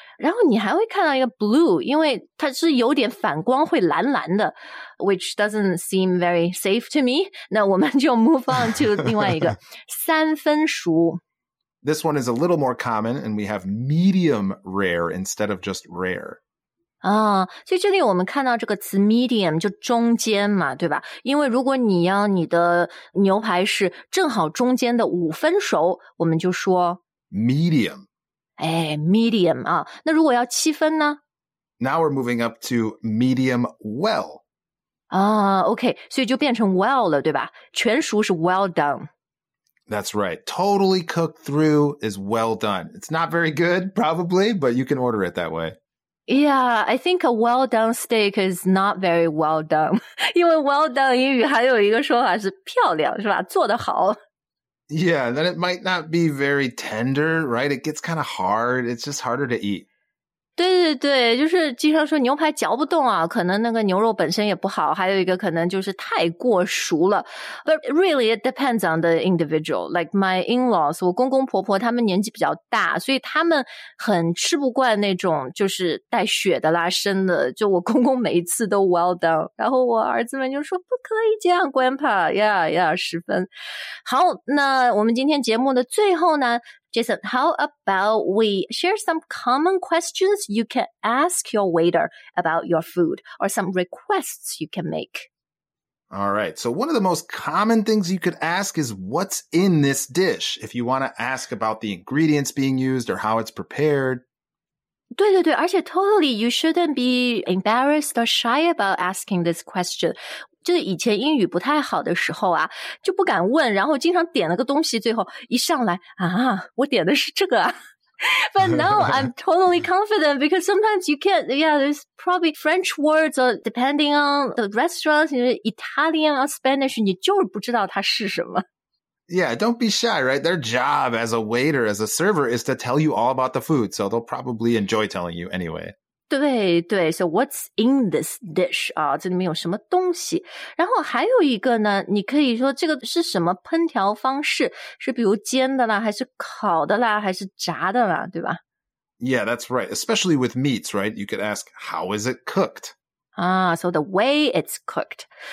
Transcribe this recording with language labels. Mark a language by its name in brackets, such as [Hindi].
[Chinese] 然后你还会看到一个 blue, 因为它是有点反光会蓝蓝的 , [English] which doesn't seem very safe to me. [Chinese] 那我们就 [English] move on to [Chinese] 另外一个三分熟。 [English] This one is a little more common, and we have medium rare instead of just rare. [Chinese] 啊，所以这里我们看到这个词 medium 就中间嘛，对吧？因为如果你要你的牛排是正好中间的五分熟，我们就说 [English] medium. [Chinese] 哎 ，medium 啊，那如果要七分呢 [English] ？Now we're moving up to medium well. [Chinese] 啊 ，OK， 所以就变成 well 了，对吧？全熟是 well done. [English] That's right. Totally cooked through is well done. It's not very good, probably, but you can order it that way. Yeah, I think a well done steak is not very well done. [Chinese] 因为 well done 英语还有一个说法是漂亮，是吧？做得好。 [English] Yeah, then it might not be very tender, right? It gets kind of hard. It's just harder to eat. [Chinese] 对对对，就是经常说牛排嚼不动啊，可能那个牛肉本身也不好，还有一个可能就是太过熟了。 [English] But really, it depends on the individual. Like my in-laws, [Chinese] 我公公婆婆他们年纪比较大，所以他们很吃不惯那种就是带血的啦、生的。就我公公每一次都 well done， 然后我儿子们就说不可以这样 ，Grandpa， yeah yeah， 十分好。那我们今天节目的最后呢？ [English] Jason, how about we share some common questions you can ask your waiter about your food or some requests you can make? All right. So one of the most common things you could ask is what's in this dish? If you want to ask about the ingredients being used or how it's prepared. [Chinese] 对对对，而且 [English] totally, you shouldn't be embarrassed or shy about asking this question. [Chinese] 就是以前英语不太好的时候啊，就不敢问，然后经常点了个东西，最后一上来啊，我点的是这个啊。 [English] But now I'm totally confident because sometimes you can't, yeah, there's probably French words or depending on the restaurant, you know, Italian or Spanish, [Chinese] 你就是不知道它是什么。 [English] Yeah, don't be shy, right? Their job as a waiter, as a server is to tell you all about the food, so they'll probably enjoy telling you anyway. [Chinese] 对对 , [English] so what's in this dish? [Chinese] 啊这里面有什么东西。然后还有一个呢你可以说这个是什么烹调方式是比如煎的啦还是烤的啦还是炸的啦对吧 [English] ?Yeah, that's right. Especially with meats, right? You could ask, how is it cooked? [Chinese] 啊 [English] so the way it's cooked.